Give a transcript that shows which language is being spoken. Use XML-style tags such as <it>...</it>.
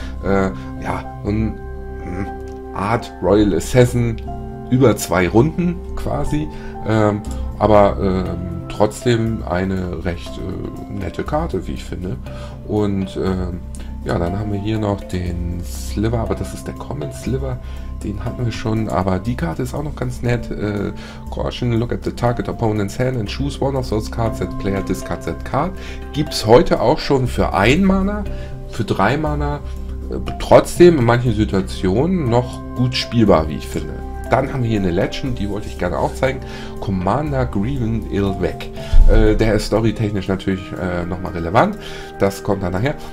<de>Ja, ein Art Royal Assassin über 2 Runden quasi. Aber trotzdem eine recht nette Karte, wie ich finde. Und ja, dann haben wir hier noch den Sliver, aber das ist der Common Sliver, den hatten wir schon, aber die Karte ist auch noch ganz nett.</de> <en>Caution, look at the target opponent's hand and choose one of those cards, that player discard that card.</en> <de>Gibt es heute auch schon für 1 Mana, für 3 Mana, trotzdem in manchen Situationen noch gut spielbar, wie ich finde. Dann haben wir hier eine Legend, die wollte ich gerne auch zeigen. Commander Greaven Ilvec. Der ist storytechnisch natürlich nochmal relevant. Das kommt dann nachher.</de>